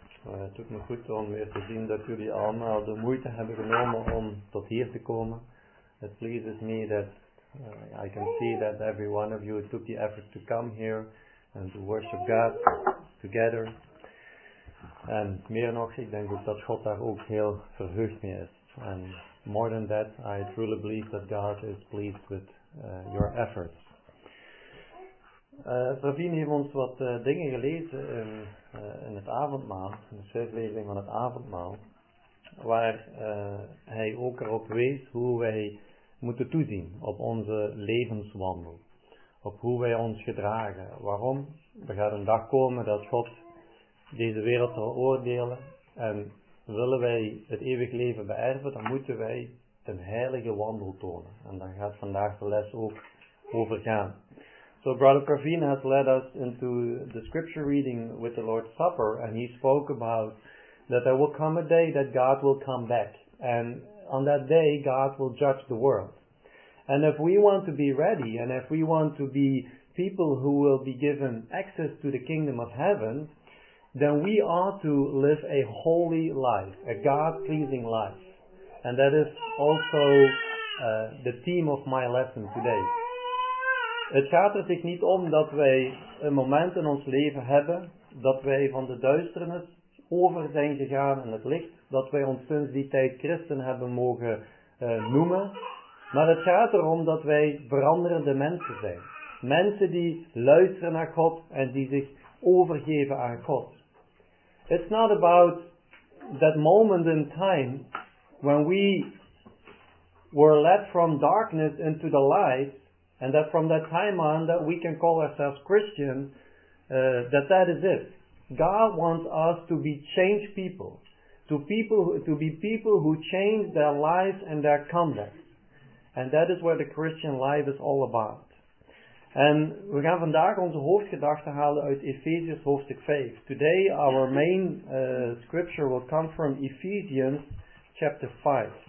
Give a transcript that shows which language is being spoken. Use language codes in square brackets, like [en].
[nl] Het doet me goed om weer te zien dat jullie allemaal de moeite hebben genomen om tot hier te komen. [en] It pleases me that I can see that every one of you took the effort to come here and to worship God together. [nl] En meer nog, ik denk ook dat God daar ook heel verheugd mee is. [en] And more than that, I truly believe that God is pleased with your efforts. [nl] Pravin heeft ons wat dingen gelezen in het avondmaal, in de schriftlezing van het avondmaal, waar hij ook erop wees hoe wij moeten toezien op onze levenswandel, op hoe wij ons gedragen. Waarom? Er gaat een dag komen dat God deze wereld zal oordelen en willen wij het eeuwig leven beërven, dan moeten wij een heilige wandel tonen. En daar gaat vandaag de les ook over gaan. [en] So Brother Pravin has led us into the scripture reading with the Lord's Supper, and he spoke about that there will come a day that God will come back, and on that day God will judge the world. And if we want to be ready, and if we want to be people who will be given access to the kingdom of heaven, then we ought to live a holy life, a God-pleasing life. And that is also the theme of my lesson today. [nl] Het gaat er zich niet om dat wij een moment in ons leven hebben, dat wij van de duisternis over zijn gegaan in het licht, dat wij ons sinds die tijd christen hebben mogen noemen. Maar het gaat erom dat wij veranderende mensen zijn. Mensen die luisteren naar God en die zich overgeven aan God. [en] It's not about that moment in time when we were led from darkness into the light. And that from that time on that we can call ourselves Christian, that is it. God wants us to be changed people. To be people who change their lives and their conduct. And that is where the Christian life is all about. [nl] And we gaan vandaag onze hoofdgedachte halen uit Ephesians hoofdstuk 5. [en] Today our main scripture will come from Ephesians chapter 5.